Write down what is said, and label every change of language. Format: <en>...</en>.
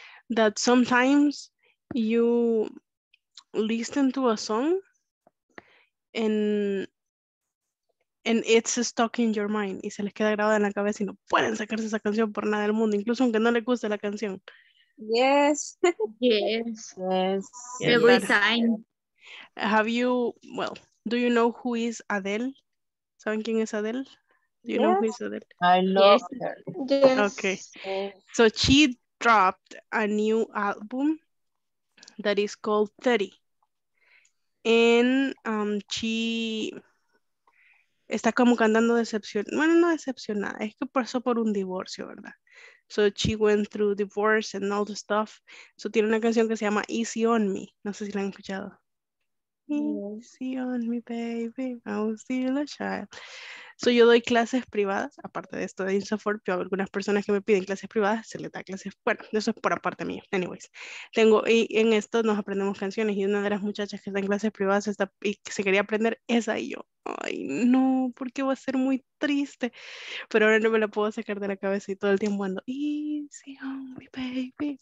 <en>That sometimes you listen to a song and it's stuck in your mind.</en> <es>Y se les queda grabada en la cabeza y no pueden sacarse esa canción por nada del mundo, incluso aunque no les guste la canción.</es> <en>Yes. Yes. Yes. Every time. Have you, well, do you know who is Adele?</en> <es>¿Saben quién es Adele?</es> <en>Do you yes. know who is Adele? I love yes. her. Yes. Okay. Yes. So she dropped a new album that is called 30. And she</en> <es>está como cantando decepcionada. Bueno, no decepcionada. Es que pasó por un divorcio, ¿verdad?</es> <en>So she went through divorce and all the stuff.</en> <es>So tiene una canción que se llama Easy On Me. No sé si la han escuchado.</es> <en>Easy on me, baby, I'm still a child.</en> <es>So yo doy clases privadas, aparte de esto de Insofort, yo hago algunas personas que me piden clases privadas, se les da clases, bueno, eso es por aparte mío, anyways. Tengo, y en esto nos aprendemos canciones, y una de las muchachas que está en clases privadas está, y que se quería aprender esa, y yo, ay no, porque va a ser muy triste, pero ahora no me la puedo sacar de la cabeza y todo el tiempo ando,</es> <en>easy on me, baby.</en>